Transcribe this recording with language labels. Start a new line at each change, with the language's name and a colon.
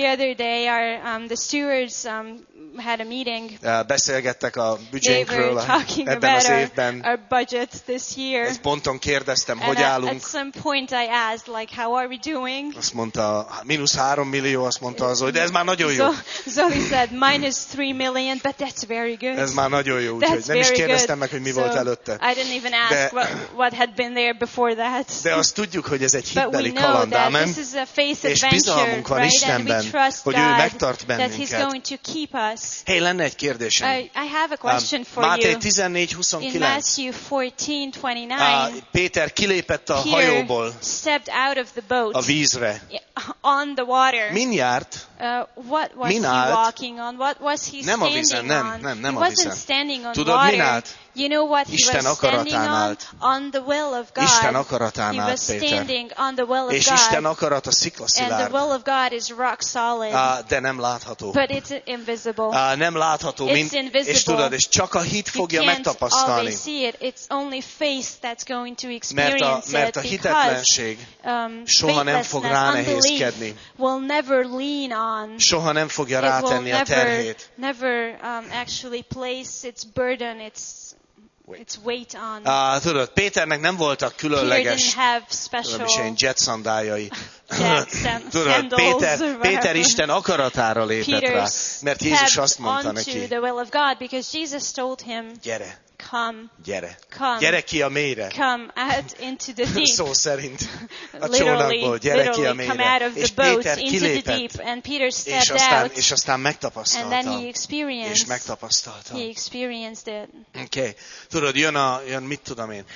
English: The other day our, the stewards had a meeting.
Hungarian: Beszélgettek a büdzsénkről ebben
English: about
Hungarian: az évben.
English: Our budget this year.
Hungarian: Ez ponton kérdeztem, hogy
English: and
Hungarian: állunk.
English: At some point I asked, like, how are we doing?
Hungarian: Azt mondta, -3 millió, azt mondta az, hogy de ez már nagyon jó.
English: Zoli said, -3 million, but that's very good.
Hungarian: Ez már nagyon jó, úgyhogy nem is kérdeztem good meg, hogy mi
English: so
Hungarian: volt előtte.
English: I didn't even ask what had been there before that.
Hungarian: De azt tudjuk, hogy ez egy hitbeli kaland, amen. És bizalmunk van
English: right
Hungarian: Istenben, hogy ő megtart bennünket. Hey, lenne egy kérdésem.
English: I have a question for
Hungarian: Máté 14:29. Péter kilépett a hajóból.
English: Stepped out of the boat.
Hungarian: A vízre.
English: On the water.
Hungarian: Min járt?
English: What was
Hungarian: min
English: he
Hungarian: állt
English: walking on? What was he
Hungarian: nem
English: standing
Hungarian: a vízen,
English: on?
Hungarian: Nem
English: he
Hungarian: a vízen.
English: Wasn't standing on
Hungarian: tudod,
English: water.
Hungarian: Min állt?
English: You know what he
Hungarian: Isten
English: was standing on the will of God.
Hungarian: Isten akaratán állt, Péter.
English: He was standing on the will of
Hungarian: és
English: God.
Hungarian: És Isten akarata sziklaszilárd.
English: And the will of God is rock solid.
Hungarian: De nem látható.
English: But it's invisible.
Hungarian: Nem látható.
English: It's invisible.
Hungarian: És tudod, és csak a hit fogja megtapasztalni.
English: You can't always see it. It's only faith that's going to experience
Hungarian: mert a, mert a
English: it.
Hungarian: Mert a hitetlenség soha nem fog rá nehézkedni.
English: Unbelief will never lean on.
Hungarian: Soha nem fogja rátenni a terhét.
English: Never actually place its burden, its it's weight on.
Hungarian: Tudod, Péternek nem voltak különleges jet szandájai. Tudod, Péter Isten akaratára lépett rá, mert Jézus azt mondta neki,
English: the will of God because Jesus told him,
Hungarian: gyere.
English: Come.
Hungarian: Gyere.
English: Come.
Hungarian: Gyere ki a mélyre.
English: Come out into the deep.
Hungarian: Szó szerint a csónakból, gyere ki a mélyre.
English: Come out of the boat, into
Hungarian: kilépett,
English: the deep. And Peter stepped
Hungarian: és aztán,
English: out.
Hungarian: És aztán megtapasztalta.
English: And then he experienced.
Hungarian: És megtapasztalta.
English: He experienced it.
Hungarian: Okay. Tudod, jön mit tudom én.